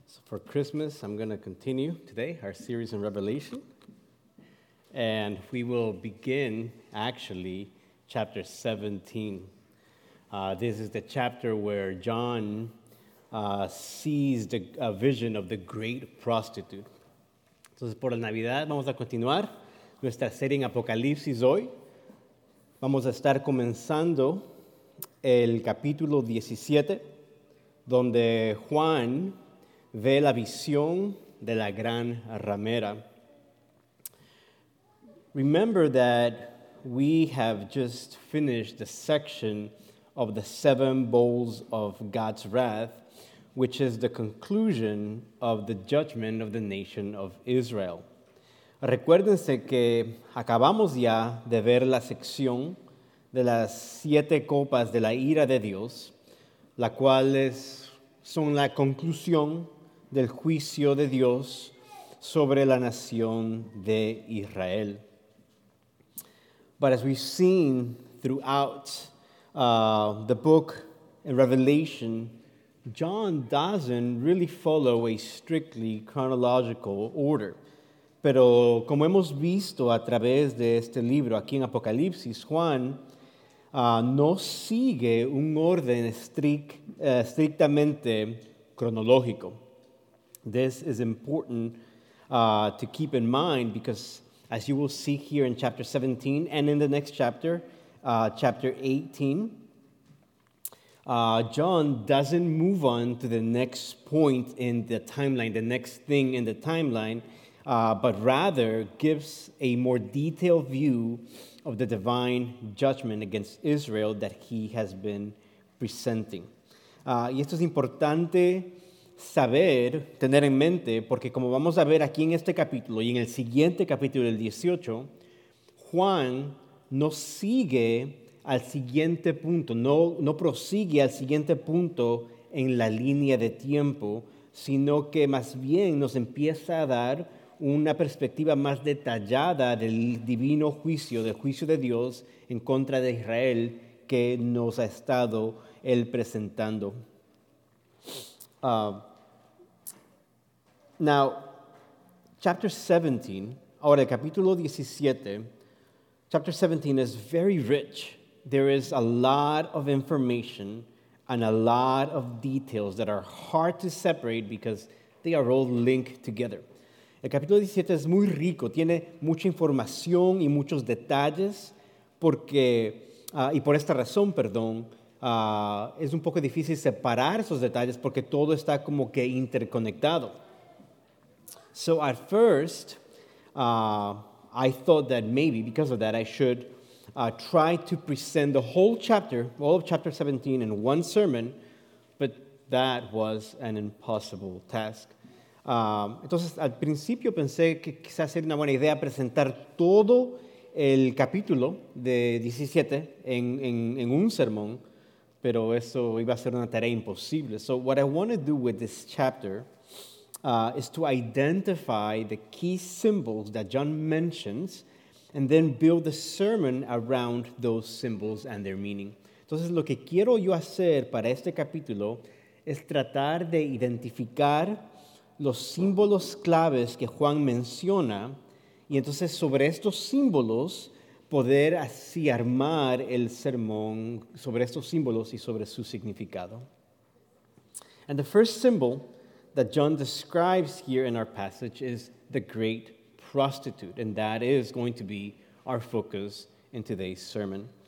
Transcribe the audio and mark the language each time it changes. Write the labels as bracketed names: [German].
[English] For Christmas, I'm going to continue today our series in Revelation. And we will begin, actually, chapter 17. This is the chapter where John sees a vision of the great prostitute. [Spanish] Entonces, por la Navidad, vamos a continuar nuestra serie en Apocalipsis hoy. Vamos a estar comenzando el capítulo 17, donde Juan ve la visión de la gran ramera. [English] Remember that we have just finished the section of the seven bowls of God's wrath, which is the conclusion of the judgment of the nation of Israel. [Spanish] Recuérdense que acabamos ya de ver la sección de las siete copas de la ira de Dios, la cual es, son la conclusión del juicio de Dios sobre la nación de Israel. [English] But as we've seen throughout the book in Revelation, John doesn't really follow a strictly chronological order. [Spanish] Pero como hemos visto a través de este libro aquí en Apocalipsis, Juan no sigue un orden estrictamente cronológico. [English] This is important to keep in mind because, as you will see here in chapter 17 and in the next chapter, chapter 18, John doesn't move on to the next point in the timeline, the next thing in the timeline, but rather gives a more detailed view of the divine judgment against Israel that he has been presenting. [Spanish] Y esto es importante saber, tener en mente, porque como vamos a ver aquí en este capítulo y en el siguiente capítulo del 18, Juan no sigue al siguiente punto, no prosigue al siguiente punto en la línea de tiempo, sino que más bien nos empieza a dar una perspectiva más detallada del divino juicio, del juicio de Dios en contra de Israel que nos ha estado él presentando. [English] Now, chapter 17, ahora el capítulo 17, chapter 17 is very rich. There is a lot of information and a lot of details that are hard to separate because they are all linked together. [Spanish] El capítulo 17 es muy rico, tiene mucha información y muchos detalles porque, y por esta razón, perdón, es un poco difícil separar esos detalles porque todo está como que interconectado. [English] So at first, I thought that maybe because of that, I should try to present the whole chapter, all of chapter 17 in one sermon, but that was an impossible task. [Spanish] Entonces, al principio pensé que quizás sería una buena idea presentar todo el capítulo de 17 en un sermón, pero eso iba a ser una tarea imposible. [English] So what I want to do with this chapter is to identify the key symbols that John mentions and then build a sermon around those symbols and their meaning. [Spanish] Entonces, lo que quiero yo hacer para este capítulo es tratar de identificar los símbolos claves que Juan menciona y entonces sobre estos símbolos poder así armar el sermón sobre estos símbolos y sobre su significado. [English] And the first symbol that John describes here in our passage is the great prostitute, and that is going to be our focus in today's sermon.